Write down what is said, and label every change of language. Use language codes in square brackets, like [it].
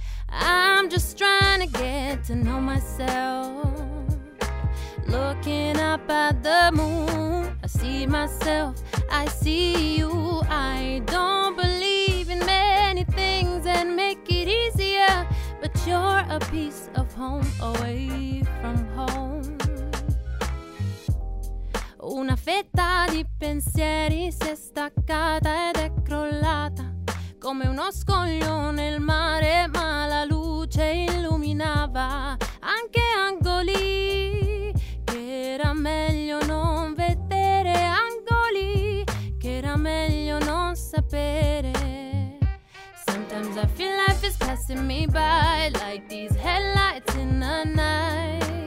[en] I'm just trying to get to know myself, looking up at the moon, I see myself, I see you. I don't believe in many things and make it easier, but you're a piece of home away from home. [it] Una fetta di pensieri si è staccata ed è crollata come uno scoglio nel mare, ma la luce illuminava anche angoli che era meglio non vedere, angoli che era meglio non sapere. [en] Sometimes I feel life is passing me by like these headlights in the night.